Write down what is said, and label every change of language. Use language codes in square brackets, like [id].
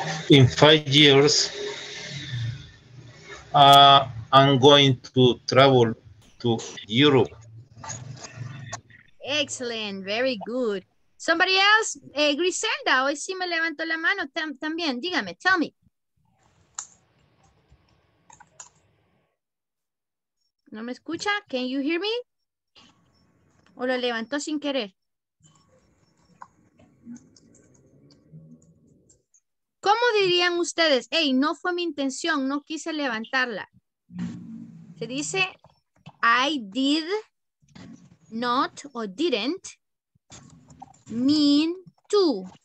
[en] In 5 years, I'm going to travel to Europe. Excellent, very good. Somebody else, [es] Griselda, hoy sí me levantó la mano también. Dígame, [en] tell me. [es] ¿No me escucha? [en] Can you hear me? [es] ¿O lo levantó sin querer? ¿Cómo dirían ustedes? Hey, no fue mi intención, no quise levantarla. Se dice, [en] I did not or didn't mean to.